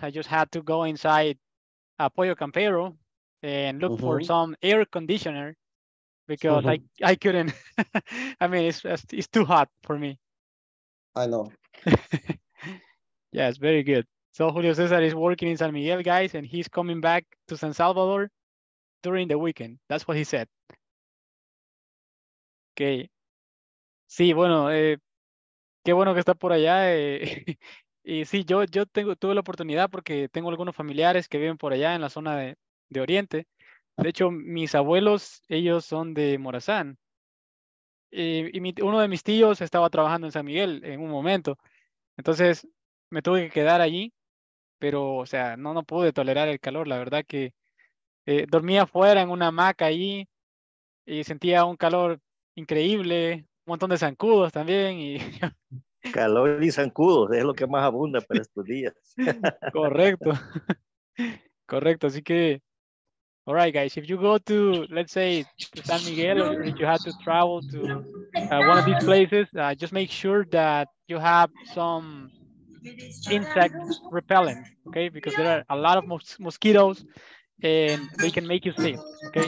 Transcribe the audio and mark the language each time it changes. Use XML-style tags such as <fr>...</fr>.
<en>I just had to go inside a Pollo Campero and look for some air conditioner because I couldn't. I mean, it's too hot for me. I know. Yeah, it's very good. So Julio César is working in San Miguel, guys, and he's coming back to San Salvador during the weekend. That's what he said. Okay.</en> <es>Sí, bueno, qué bueno que está por allá. Y sí, yo tuve la oportunidad porque tengo algunos familiares que viven por allá en la zona de Oriente. De hecho, mis abuelos, ellos son de Morazán. Uno de mis tíos estaba trabajando en San Miguel en un momento. Entonces, me tuve que quedar allí, pero, o sea, no pude tolerar el calor. La verdad que dormía afuera en una hamaca allí y sentía un calor increíble, un montón de zancudos también. Calor y zancudos es lo que más abunda para estos días. Correcto. Correcto. Así que,</es> <en>all right, guys, if you go to, let's say, to San Miguel, or if you have to travel to one of these places, just make sure that you have some insect repellent, okay? Because there are a lot of mosquitoes and they can make you sick, okay?</en>